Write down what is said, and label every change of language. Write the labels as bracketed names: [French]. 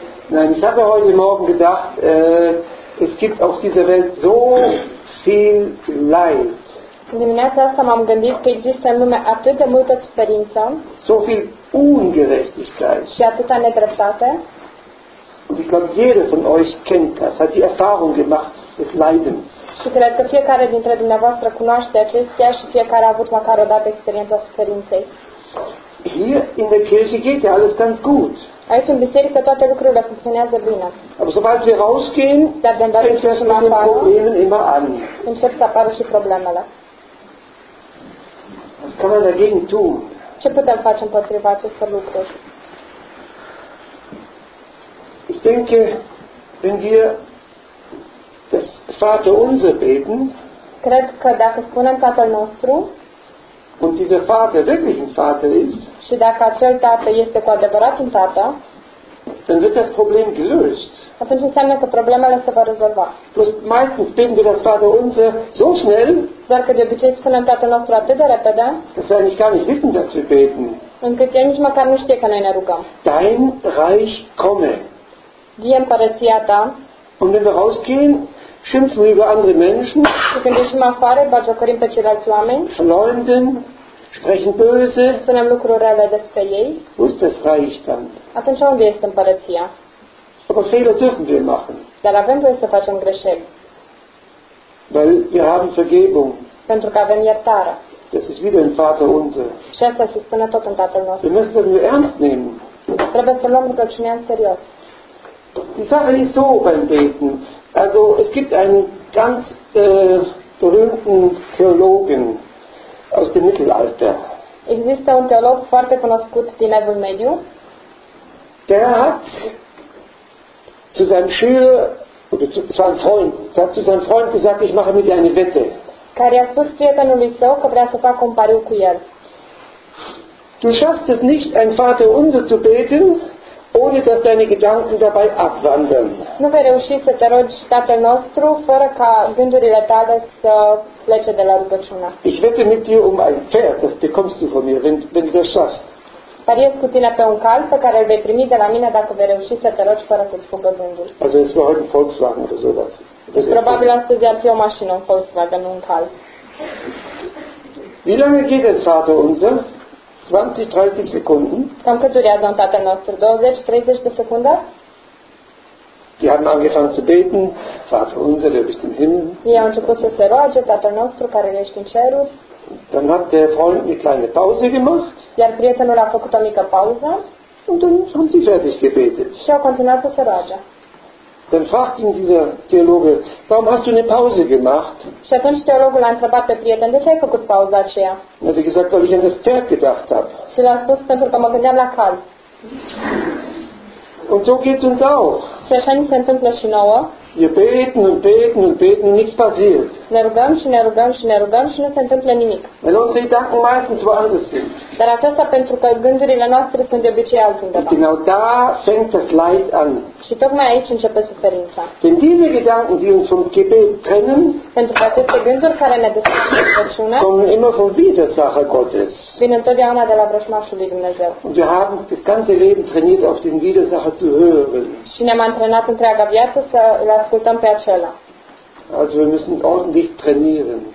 [German] Nein, ich habe heute Morgen gedacht, es gibt auf dieser Welt so viel Leid. [Romanian] Dimineața asta m-am gândit că există în lume atât de multă suferință. [German] So viel Ungerechtigkeit. [Romanian] Și atâta nedreptate. [German] Und ich glaube, jeder von euch kennt das, hat die Erfahrung gemacht des Leidens. [Romanian] Și cred că fiecare dintre dumneavoastră cunoaște acestea și fiecare a avut măcar o dată experiența suferinței. [German] Hier in der Kirche geht ja alles ganz gut. [Romanian] Aici în biserică toate lucrurile funcționează bine. [German] Aber sobald wir rausgehen, fängt das mit den Problemen immer an. [Romanian] Încep să apară și problemele. [German] Was kann man dagegen tun? [Romanian] Ce putem face împotriva acestor lucruri? [German] Ich denke, wenn wir das Vater unser beten. [Romanian] Cred că dacă spunem Tatăl nostru. [German] Und dieser Vater wirklich ein Vater ist. [Romanian] Și dacă acel tată este cu adevărat un tată. [German] Dann wird das Problem gelöst. [Romanian] Atunci înseamnă că problemele se vor rezolva. [German] Plus, meistens beten wir das Vater unser so schnell. [Romanian] Dar că de obicei spunem Tatăl nostru atât de repede. [German] Dass wir nicht gar nicht wissen, dass wir beten. [Romanian] Încât ea nici măcar nu știe că noi ne rugăm. [German] Dein Reich komme. [Romanian] Vie împărăția ta. [German] Und wenn wir rausgehen, schimpfen wir über andere Menschen, verleumden, sprechen böse. [Romanian] Spunem lucruri rele despre ei. [German] Wo ist das Reich dann? [Romanian] Atunci unde este împărăția? [German] Aber Fehler dürfen wir machen. [Romanian] Dar avem voie să facem greșeli. [German] Weil wir haben Vergebung. [Romanian] Pentru că avem iertare. [German] Das ist wieder ein Vater unser. [Romanian] Și asta se spune tot în Tatăl nostru. [German] Wir müssen das ernst nehmen. [Romanian] Trebuie să luăm rugăciunea în serios. [German] Die Sache ist so beim Beten. Also es gibt einen ganz berühmten Theologen aus dem Mittelalter. [Romanian] Există un teolog foarte cunoscut din Evul Mediu. [German] Der hat zu seinem Schüler, oder zu seinem Freund, hat zu seinem Freund gesagt, ich mache mit dir eine Wette. [Romanian] Care a spus prietenului său că vrea să facă un pariu cu el. [German] Du schaffst es nicht, ein Vater unser zu beten. Ohne dass deine Gedanken dabei abwandern. [Romanian] Nu vei reuși să te rogi Tatăl nostru fără ca gândurile tale să plece de la rugăciune. [German] Ich wette mit dir um ein Pferd, das bekommst du von mir, wenn du das schaffst. [Romanian] dar ies cu tine pe un cal pe care îl vei primi de la mine dacă vei reuși să te rogi fără să-ți fugă gândul. [German] Also es war heute Volkswagen oder sowas. [Romanian] Probabil astăzi ar fi o mașină, un Volkswagen, nu un cal. [German] Wie lange geht es, Vater unser? 20-30 Sekunden? [Romanian] Cam cât durează un Tatăl nostru? 20-30 de secunde? [German] Sie haben angefangen zu beten, Vater unser, der bist im Himmel. [Romanian] Ei au început să se roage, Tatăl nostru, care ești în ceruri. [German] Dann hat der Freund eine kleine Pause gemacht. [Romanian] Iar prietenul a făcut o mică pauză. [German] Und dann haben sie fertig gebetet. [Romanian] Și au continuat să se roage. [German] Dann fragt ihn dieser Theologe, warum hast du eine Pause gemacht? [Romanian] Și atunci teologul l-a întrebat pe prieten, de ce ai făcut pauza aceea? [German] Er hat gesagt, weil ich an das Pferd gedacht habe. [Romanian] Și l-a spus, pentru că mă gândeam la cal. [German] Und so geht's uns auch. [Romanian] Și așa ni se întâmplă și nouă. [German] Wir beten und beten und beten, nichts passiert. [Romanian] Ne rugăm și ne rugăm și ne rugăm și nu se întâmplă nimic. [German] Weil unsere Gedanken meistens woanders sind. [Romanian] Dar aceasta pentru că gândurile noastre sunt de obicei altundeva. [German] Und genau da fängt das Leid an. [Romanian] Și tocmai aici începe suferința. [German] Denn diese Gedanken, die uns vom Gebet trennen, [Romanian] pentru că aceste gânduri care ne despărțesc, [German] kommen immer von Widersacher Gottes. [Romanian] Vin întotdeauna de la vrășmașul lui Dumnezeu. [German] Und wir haben das ganze Leben trainiert, auf den Widersacher zu hören. [Romanian] Și ne-am antrenat întreaga viață să ascultăm pe acela. [German] Also wir müssen ordentlich trainieren.